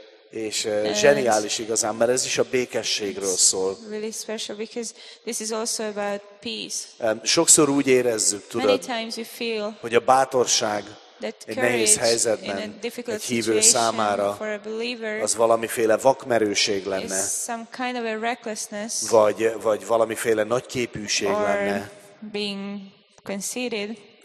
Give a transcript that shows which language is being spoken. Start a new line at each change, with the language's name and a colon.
Hungarian: És zseniális igazán, mert ez is a békességről szól.
English: Really special because this is also about peace.
Hungarian: Sokszor úgy érezzük, tudod, hogy a bátorság egy nehéz helyzetben egy hívő számára az valamiféle vakmerőség lenne.
English: Some kind of a recklessness,
Hungarian: vagy valamiféle nagyképűség lenne.
English: Being conceited,